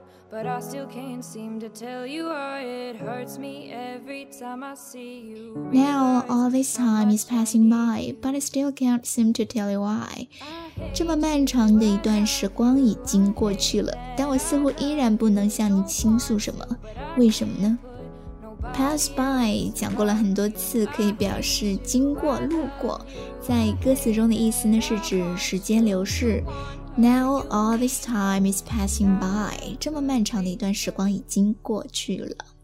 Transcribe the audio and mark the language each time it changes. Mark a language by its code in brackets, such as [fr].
[en] But I still can't seem to tell you how it hurts me every time I see you. Now all this time is passing by, but I still can't seem to tell you why. [zh] 这么漫长的一段时光已经过去了，但我似乎依然不能向你倾诉什么，为什么呢？ [en] Pass by [zh] 讲过了很多次，可以表示经过、路过。在歌词中的意思呢，是指时间流逝。 [en] Now all this time is passing by， [zh] 这么漫长的一段时光已经过去了。